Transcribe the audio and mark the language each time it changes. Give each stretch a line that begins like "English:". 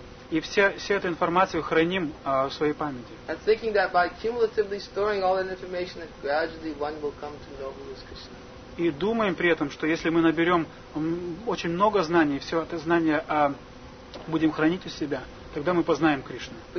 Russian: И вся эту информацию храним в своей памяти.
English: And thinking that by cumulatively storing all that information, that gradually one will come to know who is Krishna.
Russian: И думаем при этом, что если мы наберем очень много знаний, все это знание будем хранить у себя, тогда мы познаем Кришну.